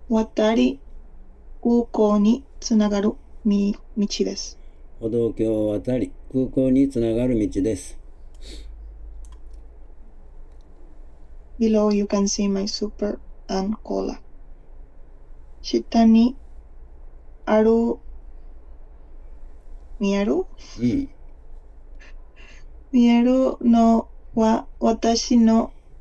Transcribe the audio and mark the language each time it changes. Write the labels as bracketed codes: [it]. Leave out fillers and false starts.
[ja] 歩道橋を渡り空港につながる道です。歩道橋を渡り空港につながる道です。 [en] Below you can see my super and cola. [ja] 下にある見えるのは私の